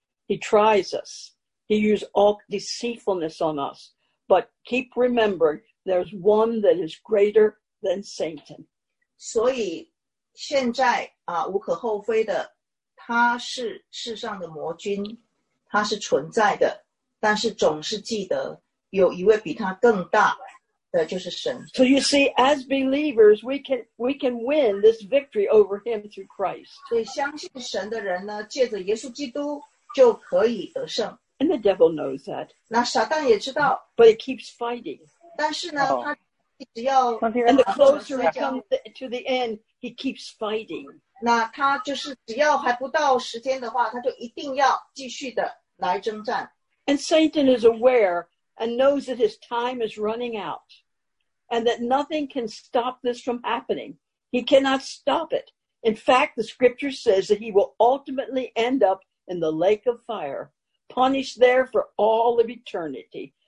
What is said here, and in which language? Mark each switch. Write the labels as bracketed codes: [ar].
[en] He tries us. He uses all deceitfulness on us. But keep remembering, there's one that is greater than Satan. [zh] 所以现在, 无可厚非的, 他是世上的魔君, 他是存在的, 但是总是记得, 有一位比他更大, 的, 就是神。 [en] So you see, as believers, we can win this victory over him through Christ. [zh] 所以相信神的人呢, 借着耶稣基督, 就可以得胜。 [en] And the devil knows that. [zh] 那撒旦也知道, [en] but he keeps fighting. [zh] 但是呢, oh. 他只要, [en] and the closer he comes to the end, he keeps fighting. [zh] 那他就是只要还不到时间的话, 他就一定要继续的来征战。 [en] And Satan is aware and knows that his time is running out and that nothing can stop this from happening. He cannot stop it. In fact, the scripture says that he will ultimately end up in the lake of fire, punished there for all of eternity.